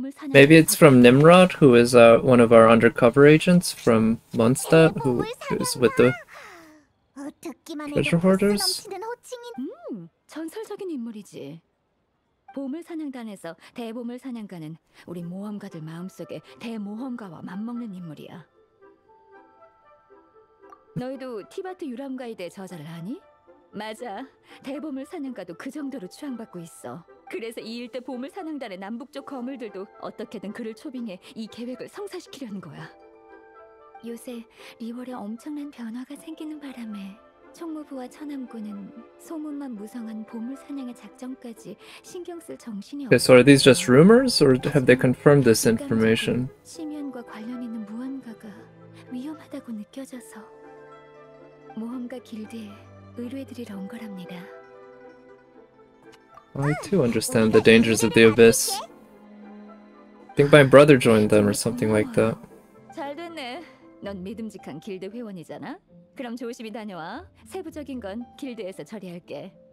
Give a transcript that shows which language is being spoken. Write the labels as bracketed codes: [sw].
[en] Maybe it's from Nimrod, who is one of our undercover agents from Mondstadt, who is with the treasure hoarders. [ko] 전설적인 인물이지. 보물사냥단에서 대보물사냥가는 우리 모험가들 마음속에 대모험가와 맞먹는 인물이야. 너희도 티바트 유람가이드의 저자를 아니? 맞아. 대보물사냥가도 그 정도로 추앙받고 있어. 그래서 이 일대 보물사냥단의 남북쪽 거물들도 어떻게든 그를 초빙해 이 계획을 성사시키려는 거야. 요새 리월에 엄청난 변화가 생기는 바람에 총무부와 천암군은 소문만 무성한 보물 사냥의 작정까지 신경 쓸 정신이 없어. [en] So are these just rumors or have they confirmed this information? [ko] 심연과 관련 있는 무언가가 위험하다고 느껴져서 모험가 길드에 의뢰드리러 온 거랍니다. [en] I too understand the dangers of the abyss. I think my brother joined them or something like that. [ko] 잘 됐네. 넌 믿음직한 길드 회원이잖아. 그럼 조심히 다녀와. 세부적인 건 길드에서 처리할게.